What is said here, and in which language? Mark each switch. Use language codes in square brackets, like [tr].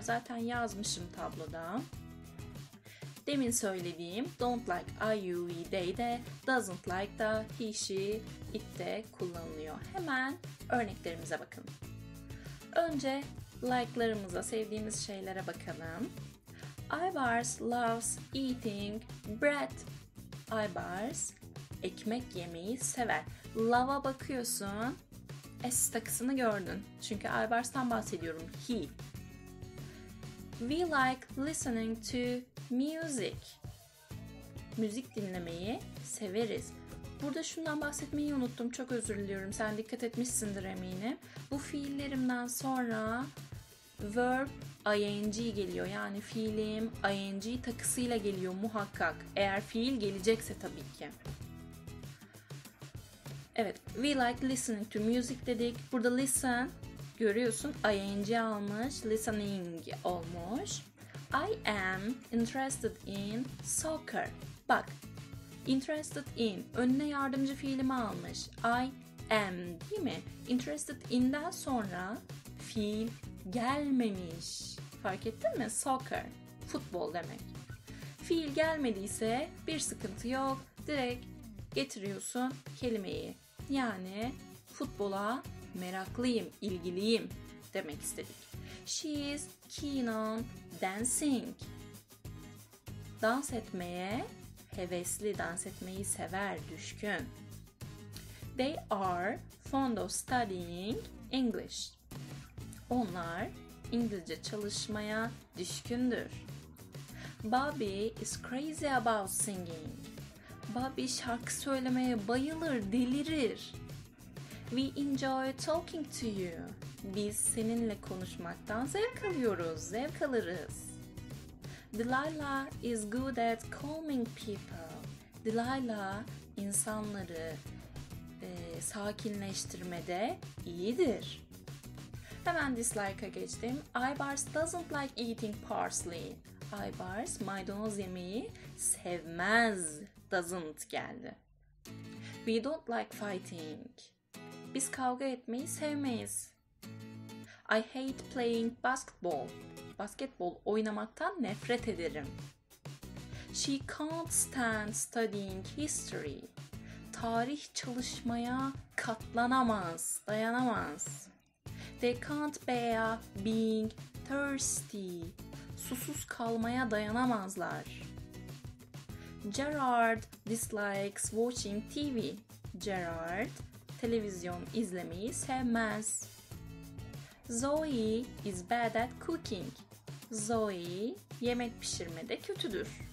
[tr] Zaten yazmışım tabloda. Demin söylediğim [en] don't like I, you, we, they [tr] de, [en] doesn't like [tr] da, he, she, it de kullanılıyor. Hemen örneklerimize bakın. Önce like'larımıza, sevdiğimiz şeylere bakalım. [en] Ibarz loves eating bread. [tr] Ibarz ekmek yemeyi sever. Love'a bakıyorsun, s takısını gördün. Çünkü Ibarz'tan bahsediyorum, he. [en] We like listening to music. [tr] Müzik dinlemeyi severiz. Burada şundan bahsetmeyi unuttum. Çok özür diliyorum. Sen dikkat etmişsindir eminim. Bu fiillerimden sonra verb ing geliyor. Yani fiilim ing takısıyla geliyor muhakkak. Eğer fiil gelecekse tabii ki. Evet. [en] We like listening to music [tr] dedik. Burada listen görüyorsun ing almış. Listening olmuş. [en] I am interested in soccer. [tr] Bak, interested in, önüne yardımcı fiilimi almış. I am, değil mi? Interested in'den sonra fiil gelmemiş. Fark ettin mi? Soccer, futbol demek. Fiil gelmediyse bir sıkıntı yok. Direkt getiriyorsun kelimeyi. Yani futbola meraklıyım, ilgiliyim demek istedik. [en] She is keen on dancing. [tr] Dans etmeye hevesli, dans etmeyi sever, düşkün. [en] They are fond of studying English. [tr] Onlar İngilizce çalışmaya düşkündür. [en] Bobby is crazy about singing. [tr] Bobby şarkı söylemeye bayılır, delirir. [en] We enjoy talking to you. [tr] Biz seninle konuşmaktan zevk alıyoruz, zevk alırız. [en] Delilah is good at calming people. [tr] Delilah insanları sakinleştirmede iyidir. Hemen dislike'a geçtim. [en] Ibarz doesn't like eating parsley. [tr] Ibarz maydanoz yemeği sevmez. [en] Doesn't [tr] geldi. [en] We don't like fighting. [tr] Biz kavga etmeyi sevmeyiz. [en] I hate playing basketball. [tr] Basketbol oynamaktan nefret ederim. [en] She can't stand studying history. [tr] Tarih çalışmaya katlanamaz, dayanamaz. [en] They can't bear being thirsty. [tr] Susuz kalmaya dayanamazlar. [en] Gerard dislikes watching TV. [tr] Gerard televizyon izlemeyi sevmez. [en] Zoe is bad at cooking. [tr] Zoe yemek pişirmede kötüdür.